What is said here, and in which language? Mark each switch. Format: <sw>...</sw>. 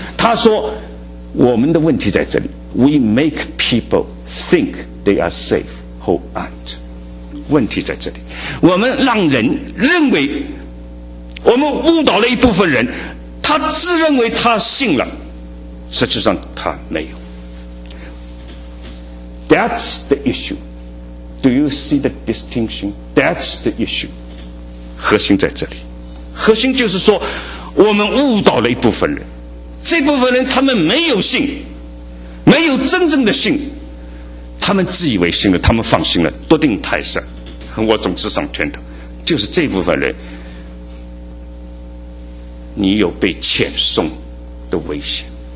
<zh>他说我们的问题在这里，</zh> <en>We make people think they are safe who aren't，</en> <zh>问题在这里，我们让人认为，我们误导了一部分人，他自认为他信了，实际上他没有。</zh> <en>That's the issue， Do you see the distinction？ That's the issue，</en> <zh>核心在这里。核心就是说我们误导了一部分人，这部分人他们没有信，没有真正的信，他们自以为信了，他们放心了，多定台上我总是上天堂，就是这部分人，你有被遣送的危险。</zh>